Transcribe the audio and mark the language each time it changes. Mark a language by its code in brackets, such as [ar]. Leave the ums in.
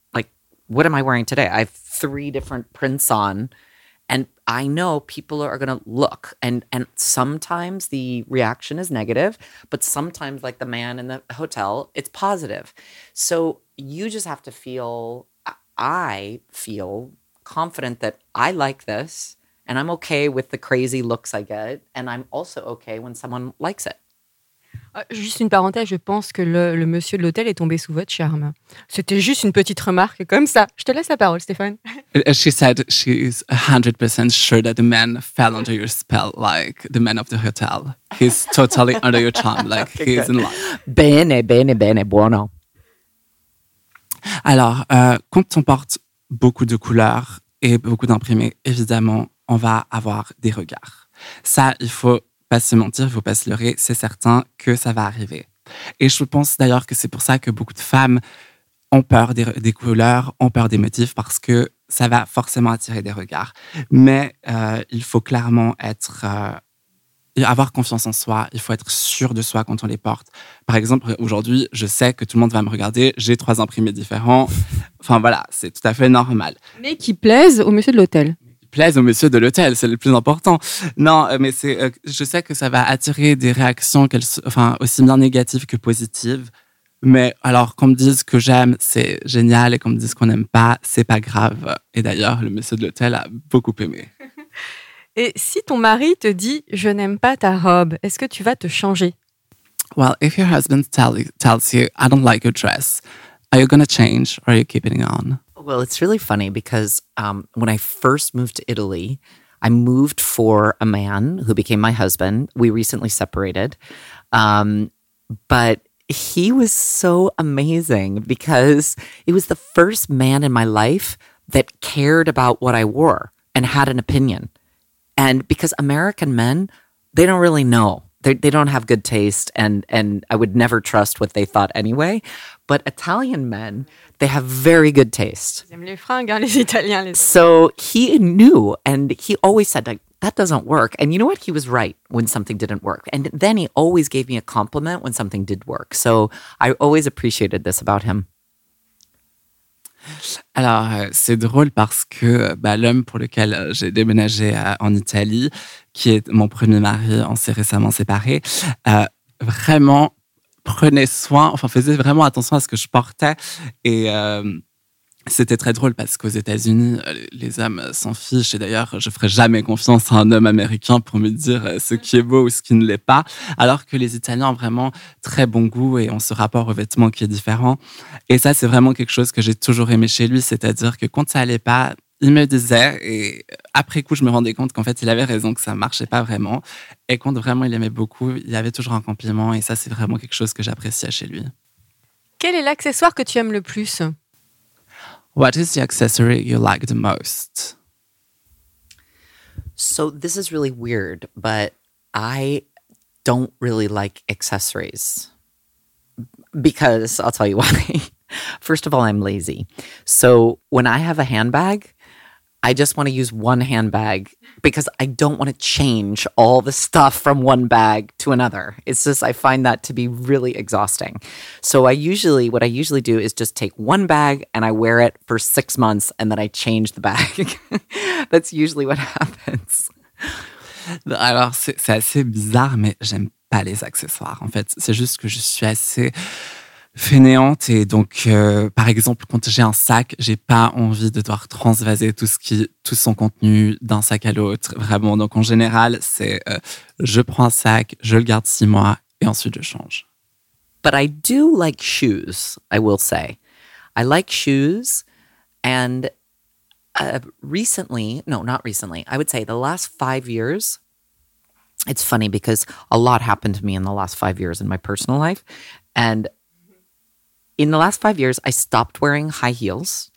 [en] Like, what am I wearing today? I've, three different prints on and i know people are going to look and and sometimes the reaction is negative but sometimes like the man in the hotel it's positive so you just have to feel i feel confident that i like this and i'm okay with the crazy looks i get and i'm also okay when someone likes it [fr] Juste une parenthèse, je pense que le, le monsieur de l'hôtel est tombé sous votre charme. C'était juste une petite remarque comme ça. Je te laisse la parole, Stéphane. Elle a dit qu'elle [en] is 100% [fr] sûre que [en] sure that the man fell under your spell, like the man of the hotel. He's totally under your charm, like okay, he's good. in love. [it] Bene, bene, bene, buono. [fr] Alors, euh, quand on porte beaucoup de couleurs et beaucoup d'imprimés, évidemment, on va avoir des regards. Ça, il faut pas se mentir, faut pas se leurrer, c'est certain que ça va arriver. Et je pense d'ailleurs que c'est pour ça que beaucoup de femmes ont peur des, des, couleurs, ont peur des motifs, parce que ça va forcément attirer des regards. Mais euh, il faut clairement être, euh, avoir confiance en soi, il faut être sûr de soi quand on les porte. Par exemple, aujourd'hui, je sais que tout le monde va me regarder, j'ai trois imprimés différents. Enfin voilà, c'est tout à fait normal. Mais qui plaisent au monsieur de l'hôtel plaisent au monsieur de l'hôtel, c'est le plus important. Non, mais c'est, je sais que ça va attirer des réactions, qu enfin, aussi bien négatives que positives. Mais alors, qu'on me dise que j'aime, c'est génial, et qu'on me dise qu'on n'aime pas, c'est pas grave. Et d'ailleurs, le monsieur de l'hôtel a beaucoup aimé. Et si ton mari te dit je n'aime pas ta robe, est-ce que tu vas te changer? [en] Well, if your husband tells you I don't like your dress, are you to change or are you keeping on? Well, it's really funny because um, when I first moved to Italy, I moved for a man who became my husband. We recently separated. Um, but he was so amazing because he was the first man in my life that cared about what I wore and had an opinion. And because American men, they don't really know. They, they don't have good taste and and I would never trust what they thought anyway but Italian men, they have very good taste. [fr] Les les Italiens les [en] so he knew and he always said, like, that doesn't work. And you know what? He was right when something didn't work. And then he always gave me a compliment when something did work. So I always appreciated this about him. [fr] Alors, c'est drôle parce que l'homme pour lequel j'ai déménagé à, en Italie, qui est mon premier mari, on s'est récemment séparés, euh, vraiment prenait soin, enfin faisait vraiment attention à ce que je portais. Et euh, c'était très drôle parce qu'aux États-Unis, les hommes s'en fichent. Et d'ailleurs, je ferais jamais confiance à un homme américain pour me dire ce qui est beau ou ce qui ne l'est pas. Alors que les Italiens ont vraiment très bon goût et ont ce rapport au vêtements qui est différent. Et ça, c'est vraiment quelque chose que j'ai toujours aimé chez lui. C'est-à-dire que quand ça n'allait pas, il me disait, et après coup, je me rendais compte qu'en fait, il avait raison, que ça ne marchait pas vraiment. Et quand vraiment il aimait beaucoup, il avait toujours un compliment. Et ça, c'est vraiment quelque chose que j'appréciais chez lui. Quel est l'accessoire que tu aimes le plus [en] What is the accessory you like the most So, this is really weird, but I don't really like accessories. Because I'll tell you why. First of all, I'm lazy. So, when I have a handbag, I just want to use one handbag because I don't want to change all the stuff from one bag to another. It's just, I find that to be really exhausting. So I usually, what I usually do is just take one bag and I wear it for six months and then I change the bag. That's usually what happens. [fr] Alors, c'est assez bizarre, mais j'aime pas les accessoires. En fait, c'est juste que je suis assez. fainéante et donc euh, par exemple quand j'ai un sac j'ai pas envie de devoir transvaser tout, ce qui, tout son contenu d'un sac à l'autre vraiment donc en général c'est euh, je prends un sac je le garde six mois et ensuite je change [en] but i do like shoes i will say i like shoes and uh, recently no not recently i would say the last five years it's funny because a lot happened to me in the last five years in my personal life and in the last five years, I stopped wearing high heels.